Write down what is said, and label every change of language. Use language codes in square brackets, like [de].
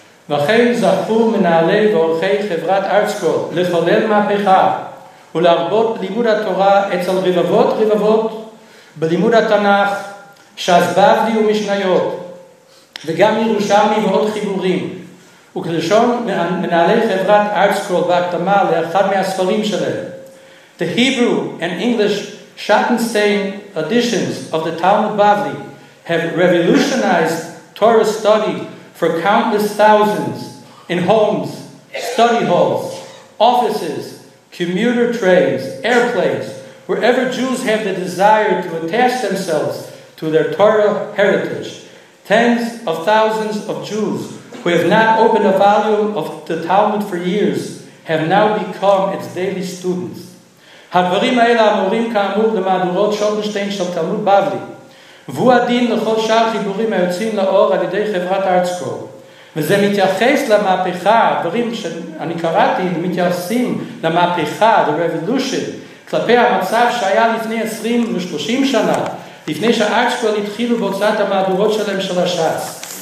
[he] וכן זכו מנהלי ועורכי חברת ארטסקול לחולל מהפכה ולהרבות בלימוד התורה אצל רבבות רבבות בלימוד התנ״ך, ש"ס בבלי ומשניות וגם ירושלמי ועוד חיבורים. וכלשון מנהלי חברת ארטסקול בהקדמה לאחד מהספרים שלהם, [en] The Hebrew and English Schottenstein editions of the Talmud Bavli have revolutionized Torah study for countless thousands in homes, study halls, offices, commuter trains, airplanes, wherever Jews have the desire to attach themselves to their Torah heritage. Tens of thousands of Jews who have not opened a volume of the Talmud for years have now become its daily students. [he] הדברים האלה אמורים כאמור במהדורות שולנשטיין של תלמוד בבלי, והוא הדין לכל שאר חיבורים היוצאים לאור על ידי חברת ארצקור. וזה מתייחס למהפכה, הדברים שאני קראתי, מתייחסים למהפכה, [en] the revolution, [he] כלפי המצב שהיה לפני 20-30 שנה, לפני שארצקור התחילו בהוצאת המהדורות שלהם של השאס.